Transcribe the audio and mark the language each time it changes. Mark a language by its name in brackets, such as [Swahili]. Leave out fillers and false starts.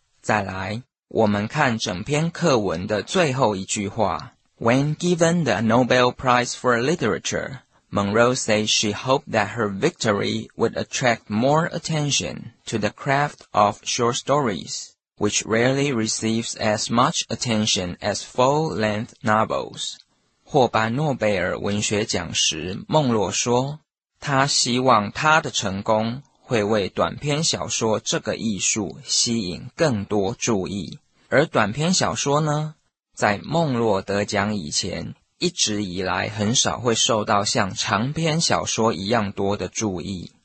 [Chinese] 再来，我们看整篇课文的最后一句话。 [English] When given the Nobel Prize for Literature, Monroe said she hoped that her victory would attract more attention to the craft of short stories, which rarely receives as much attention as full-length novels. [Chinese] 获颁诺贝尔文学奖时，孟洛说，他希望他的成功会为短篇小说这个艺术吸引更多注意。而短篇小说呢，在孟洛得奖以前，一直以来很少会受到像长篇小说一样多的注意。